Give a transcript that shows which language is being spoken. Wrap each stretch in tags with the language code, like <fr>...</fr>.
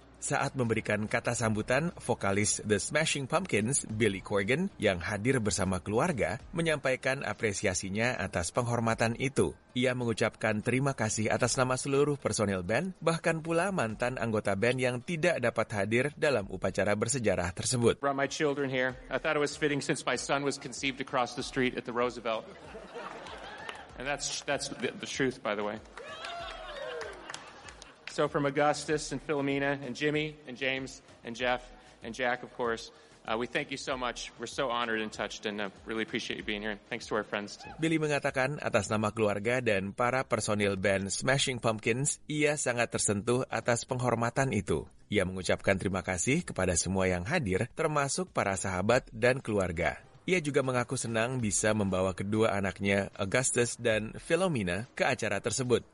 <id>Saat memberikan kata sambutan, vokalis The Smashing Pumpkins, Billy Corgan, yang hadir bersama keluarga, menyampaikan apresiasinya atas penghormatan itu. Ia mengucapkan terima kasih atas nama seluruh personil band, bahkan pula mantan anggota band yang tidak dapat hadir dalam upacara bersejarah tersebut.</id> <en>Brought my children here. I thought it was fitting since my son was conceived across the street at the Roosevelt. And that's the truth, by the way. So from Augustus and Philomena and Jimmy and James and Jeff and Jack, of course, we thank you so much. We're so honored and touched and really appreciate you being here. Thanks to our friends too.</en> <id>Billy mengatakan atas nama keluarga dan para personil band Smashing Pumpkins, ia sangat tersentuh atas penghormatan itu. Ia mengucapkan terima kasih kepada semua yang hadir, termasuk para sahabat dan keluarga. Ia juga mengaku senang bisa membawa kedua anaknya, Augustus dan Philomena, ke acara tersebut.</id>